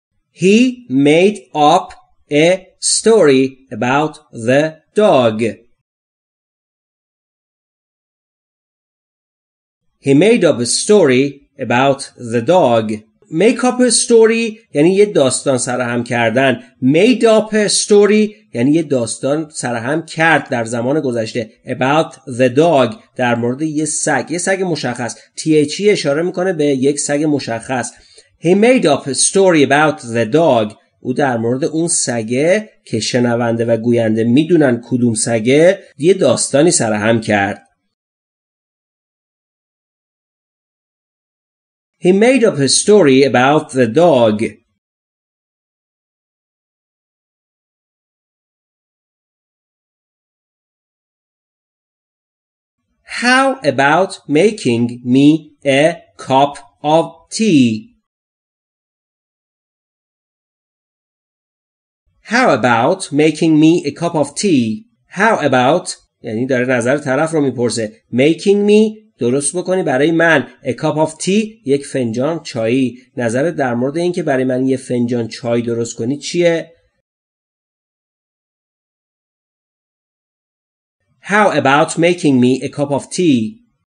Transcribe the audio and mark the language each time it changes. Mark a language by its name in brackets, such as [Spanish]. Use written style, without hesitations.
[English] He made up a story about the dog. He made up a story about the dog. Make up a story [Persian] یعنی یه داستان سرهم کردن. [English] Made up a story [Persian] یعنی یه داستان سرهم کرد در زمان گذشته. [English] About the dog [Persian] در مورد یه سگ. یه سگ مشخص. THE اشاره میکنه به یک سگ مشخص. [English] He made up a story about the dog. [Persian] او در مورد اون سگه که شنونده و گوینده میدونن کدوم سگه یه داستانی سرهم کرد. [English] He made up a story about the dog. How about making me a cup of tea? How about making me a cup of tea? How about [Persian] یعنی داره نظر طرف رو میپرسه. [English] Making me [Persian] درست بکنی برای من [English] a cup of tea [Persian] یک فنجان چایی. نظرت در مورد این که برای من یه فنجان چای درست کنی چیه؟ [English] How about making me a cup of tea?